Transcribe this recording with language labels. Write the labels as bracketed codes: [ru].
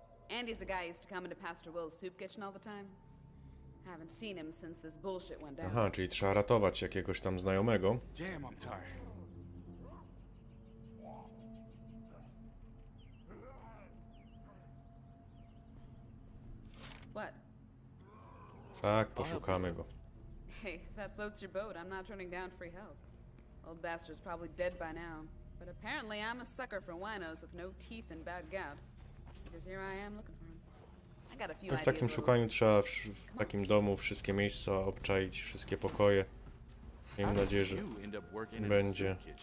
[en] Andy's the guy who used to come into Pastor Will's soup kitchen all the time. Haven't seen him since this bullshit went down. [pl] Aha, czyli trzeba ratować jakiegoś tam znajomego. [en] Damn, I'm tired. What? [pl] Tak, poszukamy go. [en] Hey, that floats your boat. I'm not turning down free help. Old bastard's probably dead by now. But apparently I'm a sucker for winos with no teeth and bad gout. Because here I am looking for him. I got a few ideas. [pl] W takim szukaniu trzeba w takim domu wszystkie miejsca obczaić, wszystkie pokoje. Miejmy nadzieję, że będzie.